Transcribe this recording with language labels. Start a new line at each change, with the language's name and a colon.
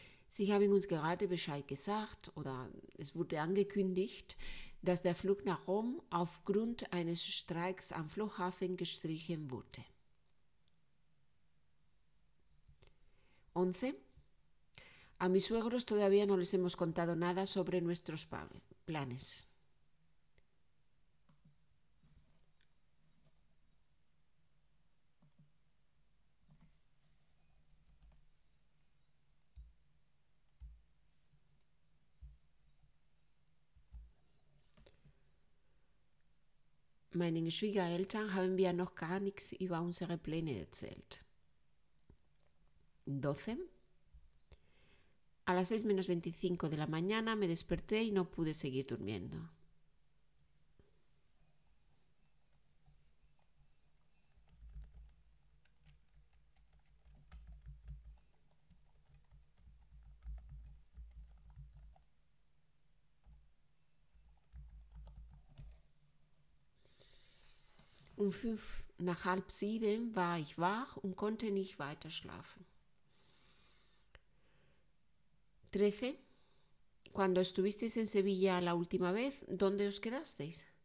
German: Sie haben uns gerade Bescheid gesagt, oder es wurde angekündigt, dass der Flug nach Rom aufgrund eines Streiks am Flughafen gestrichen wurde. 11.
Spanish: A mis suegros todavía no les hemos contado nada sobre nuestros planes.
German: Meinen Schwiegereltern haben wir noch gar nichts über unsere Pläne erzählt. 12.
Spanish: A las 6 menos 25 de la mañana me desperté y no pude seguir durmiendo.
German: Um 6:35 war ich wach und konnte nicht weiter schlafen. 13.
Spanish: Cuando estuvisteis en Sevilla la última vez, ¿dónde os quedasteis?